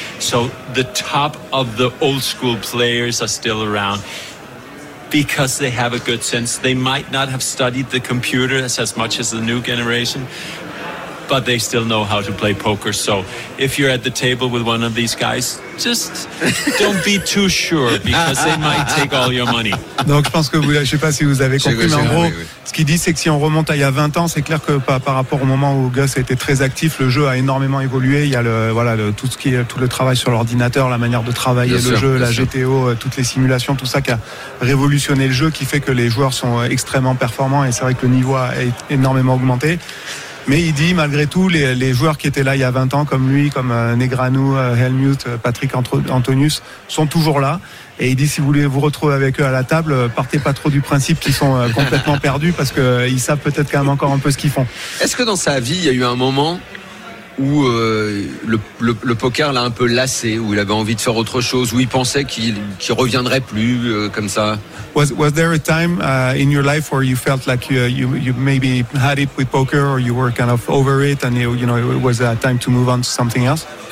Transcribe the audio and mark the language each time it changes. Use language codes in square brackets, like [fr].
[en] So the top of the old school players are still around because they have a good sense. They might not have studied the computer as much as the new generation, but they still know how to play poker. So if you're at the table with one of these guys, just don't be too sure because they might take all your money. [fr] Donc je pense que vous, je sais pas si vous avez compris, mais en gros, ce qu'il dit, c'est que si on remonte à il y a 20 ans, c'est clair que par rapport au moment où Gus a été très actif, le jeu a énormément évolué. Il y a tout le travail sur l'ordinateur, la manière de travailler le jeu, la GTO, toutes les simulations, tout ça qui a révolutionné le jeu, qui fait que les joueurs sont extrêmement performants et c'est vrai que le niveau a énormément augmenté. Mais il dit, malgré tout, les joueurs qui étaient là il y a 20 ans, comme lui, comme Negreanu, Hellmuth, Patrick Antonius, sont toujours là. Et il dit, si vous voulez vous retrouver avec eux à la table, partez pas trop du principe qu'ils sont complètement perdus, parce qu'ils savent peut-être quand même encore un peu ce qu'ils font. Est-ce que dans sa vie, il y a eu un moment où le poker l'a un peu lassé, où il avait envie de faire autre chose, où il pensait qu'il reviendrait plus comme ça? [en] Was there a time in your life where you felt like you maybe had it with poker, or you were kind of over it, and you know it was a time to move on to something else?